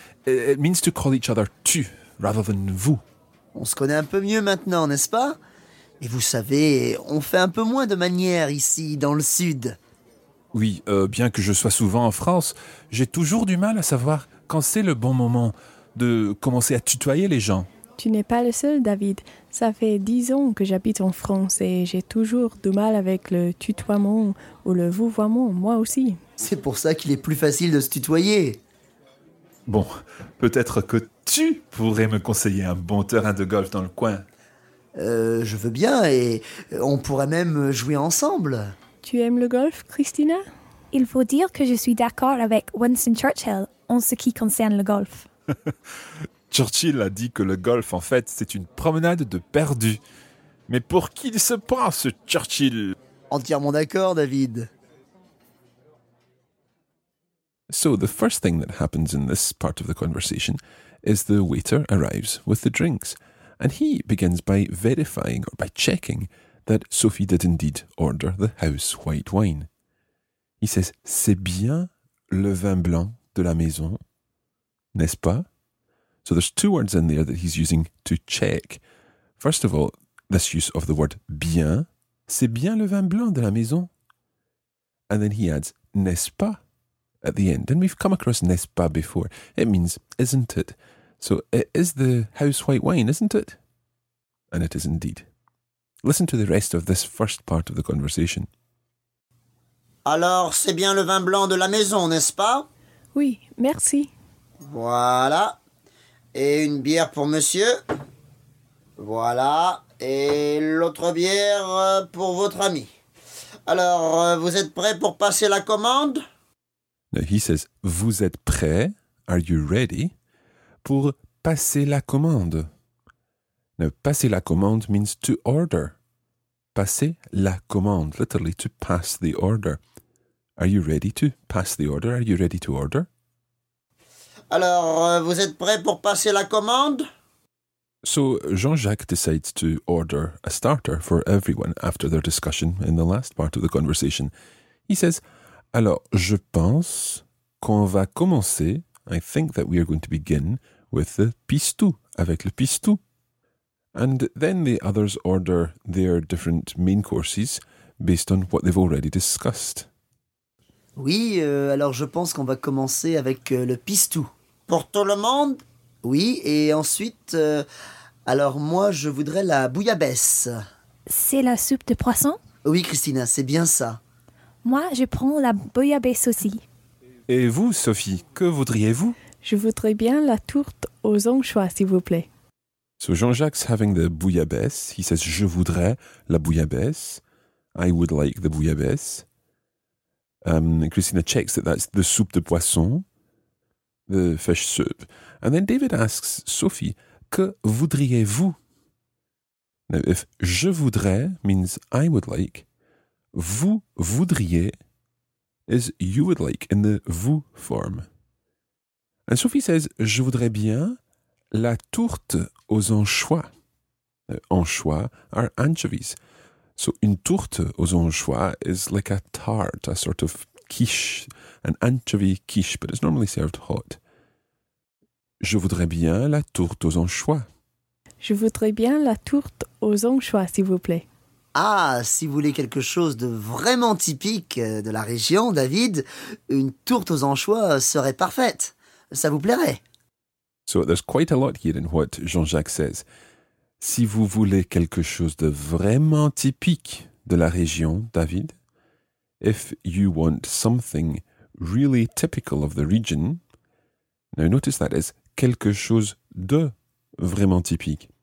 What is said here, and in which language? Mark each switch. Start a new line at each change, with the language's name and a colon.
English: It means to call each other tu, rather than vous.
French: On se connaît un peu mieux maintenant, n'est-ce pas? Et vous savez, on fait un peu moins de manières ici, dans le sud. Oui, bien que je sois souvent en France, j'ai toujours du mal à savoir quand c'est le bon moment de commencer à tutoyer les gens. Tu n'es pas le seul, David. Ça fait 10 ans que j'habite en France et j'ai toujours du mal avec le tutoiement ou le vouvoiement, moi aussi. C'est pour ça qu'il est plus facile de se tutoyer. Bon, peut-être que tu pourrais me conseiller un bon terrain de golf dans le coin. Je veux bien et on pourrait même jouer ensemble. Tu aimes le golf, Christina? Il faut dire que je suis d'accord avec Winston Churchill en ce qui concerne le golf. Churchill a dit que le golf, en fait, c'est une promenade de perdu. Mais pour qui il se prend, ce Churchill? Entièrement d'accord, David.
English: So the first thing that happens in this part of the conversation is the waiter arrives with the drinks, and he begins by verifying or by checking that Sophie did indeed order the house white wine. He says,
French: c'est bien le vin blanc de la maison, n'est-ce pas?
English: So there's two words in there that he's using to check. First of all, this use of the word bien,
French: c'est bien le vin blanc de la maison.
English: And then he adds,
French: n'est-ce pas?
English: At the end, and we've come across n'est-ce pas before. It means, isn't it? So, it is the house white wine, isn't it? And it is indeed. Listen to the rest of this first part of the conversation.
French: Alors, c'est bien le vin blanc de la maison, n'est-ce pas? Oui, merci. Voilà. Et une bière pour monsieur? Voilà. Et l'autre bière pour votre ami. Alors, vous êtes prêts pour passer la commande?
English: Now he says,
French: vous êtes prêt,
English: are you ready,
French: pour passer la commande.
English: Now,
French: passer la commande
English: means to order.
French: Passer la commande,
English: literally to pass the order. Are you ready to pass the order? Are you ready to order?
French: Alors, vous êtes prêt pour passer la commande?
English: So Jean-Jacques decides to order a starter for everyone after their discussion in the last part of the conversation. He says,
French: alors, je pense qu'on va commencer,
English: I think that we are going to begin, with the pistou,
French: avec le pistou.
English: And then the others order their different main courses based on what they've already discussed.
French: Oui, alors je pense qu'on va commencer avec le pistou. Pour tout le monde? Oui, et ensuite, alors moi je voudrais la bouillabaisse. C'est la soupe de poisson? Oui, Christina, c'est bien ça. Moi, je prends la bouillabaisse aussi. Et vous, Sophie, que voudriez-vous? Je voudrais bien la tourte aux anchois, s'il vous plaît.
English: So Jean-Jacques's having the bouillabaisse. He says,
French: je voudrais la bouillabaisse.
English: I would like the bouillabaisse. Christina checks that that's the
French: soupe de poisson,
English: the fish soup. And then David asks Sophie,
French: que voudriez-vous?
English: Now, if
French: je voudrais
English: means I would like,
French: vous voudriez
English: is you would like in the vous form. And Sophie says,
French: je voudrais bien la tourte aux anchois.
English: Anchois are anchovies. So
French: une tourte aux anchois
English: is like a tart, a sort of quiche, an anchovy quiche, but it's normally served hot.
French: Je voudrais bien la tourte aux anchois. Je voudrais bien la tourte aux anchois, s'il vous plaît. Ah, si vous voulez quelque chose de vraiment typique de la région, David, une tourte aux anchois serait parfaite. Ça vous plairait?
English: So there's quite a lot here in what Jean-Jacques says.
French: Si vous voulez quelque chose de vraiment typique de la région, David,
English: if you want something really typical of the region, now notice that is
French: quelque chose de vraiment typique.